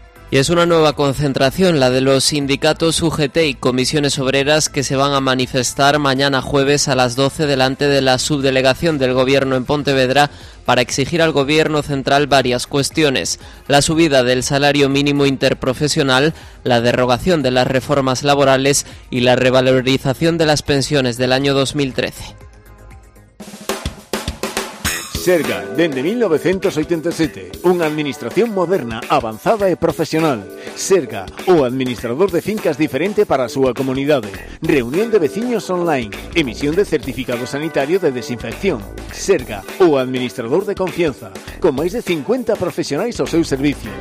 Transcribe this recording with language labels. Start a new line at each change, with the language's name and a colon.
Spanish: Y es una nueva concentración, la de los sindicatos UGT y Comisiones Obreras, que se van a manifestar mañana jueves a las 12 delante de la subdelegación del Gobierno en Pontevedra para exigir al Gobierno central varias cuestiones: la subida del salario mínimo interprofesional, la derogación de las reformas laborales y la revalorización de las pensiones del año 2013.
Galician: Serga, dende 1987, unha administración moderna, avanzada e profesional. Serga, o administrador de fincas diferente para a súa comunidade. Reunión de veciños online, emisión de certificado sanitario de desinfección. Serga, o administrador de confianza, con máis de 50 profesionais ao seu servicio.